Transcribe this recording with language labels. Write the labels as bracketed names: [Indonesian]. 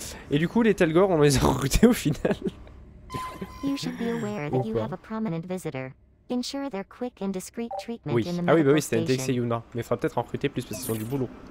[French] Et du coup, les Telgor, on les a recrutés au final. [English] You should be aware that you have a prominent visitor. Ensure their quick and discreet treatment. [French] Oui. Ah oui, bah oui, c'était Dex et Yuna. Mais il faudra peut-être en recruter plus parce qu'ils ont du boulot.